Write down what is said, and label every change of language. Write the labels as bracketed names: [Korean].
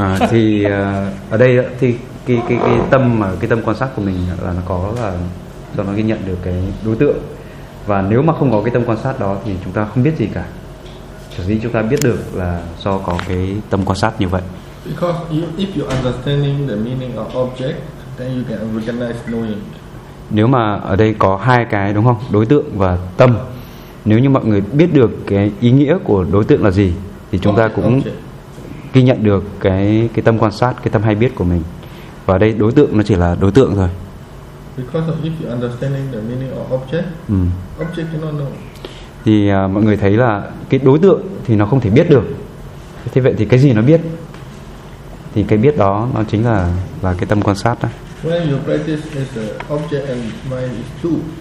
[Vietnamese] Thì ở đây thì cái tâm quan sát của mình là nó có là do nó ghi nhận được cái đối tượng. Và nếu mà không có cái tâm quan sát đó thì chúng ta không biết gì cả. Sở dĩ chúng ta biết được là do có cái tâm quan sát như vậy. [English] Because if you understanding the meaning of object, then you can recognize knowing. [Vietnamese] Nếu mà ở đây có hai cái đúng không? Đối tượng và tâm. Nếu như mọi người biết được cái ý nghĩa của đối tượng là gì thì chúng ta cũng ghi nhận được cái tâm quan sát, cái tâm hay biết của mình. Và ở đây đối tượng nó chỉ là đối tượng thôi. [English] Because if you understanding the meaning of object, object cannot know. [Vietnamese] Thì mọi người thấy là cái đối tượng thì nó không thể biết được. Thế vậy thì cái gì nó biết? Thì cái biết đó nó chính là cái tâm quan sát đó. [English] When you practice is the object and mind is two.